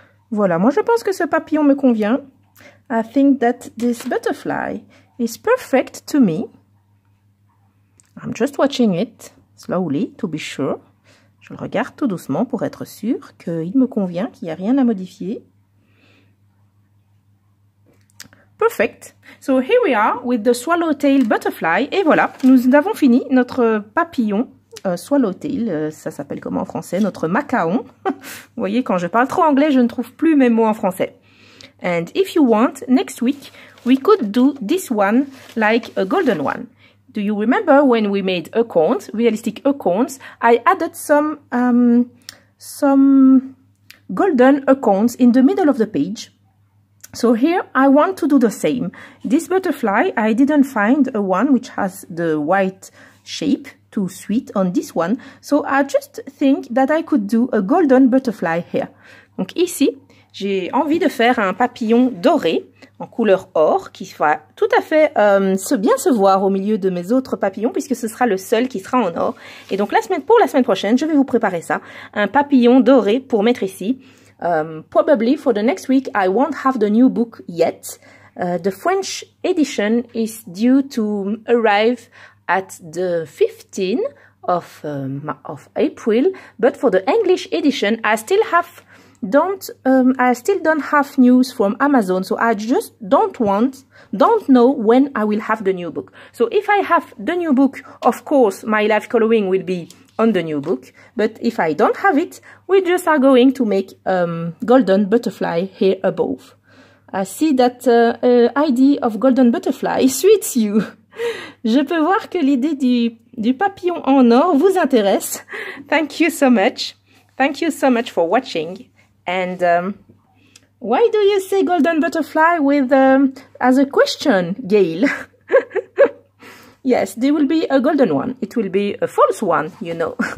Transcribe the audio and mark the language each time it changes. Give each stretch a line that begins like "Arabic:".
French: Voilà, moi je pense que ce papillon me convient.
English: I think that this butterfly is perfect to me. I'm just watching it slowly to be sure.
French: Je le regarde tout doucement pour être sûr qu'il me convient, qu'il n'y a rien à modifier.
English: Perfect. So here we are with the swallowtail butterfly.
French: Et voilà, nous avons fini notre papillon. Swallowtail, ça s'appelle comment en français? Notre macaron. Vous voyez, quand je parle trop anglais, je ne trouve plus mes mots en français.
English: And if you want, next week, we could do this one like a golden one. Do you remember when we made acorns, realistic acorns? I added some golden acorns in the middle of the page. So here, I want to do the same. This butterfly, I didn't find a one which has the white shape too sweet on this one. So I just think that I could do a golden butterfly here.
French: Donc ici, j'ai envie de faire un papillon doré en couleur or qui va tout à fait bien se voir au milieu de mes autres papillons puisque ce sera le seul qui sera en or. Et donc la semaine prochaine, je vais vous préparer ça. Un papillon doré pour mettre ici.
English: Probably for the next week, I won't have the new book yet. The French edition is due to arrive at the 15th of April, but for the English edition, I still don't have news from Amazon, so I just don't know when I will have the new book. So if I have the new book, of course, my life coloring will be on the new book, but if I don't have it, we just are going to make golden butterfly here above. I see that idea of golden butterfly suits you.
French: Je peux voir que l'idée du papillon en or vous intéresse.
English: Thank you so much. Thank you so much for watching. And Why do you say golden butterfly with as a question, Gail? Yes, there will be a golden one. It will be a false one, you know.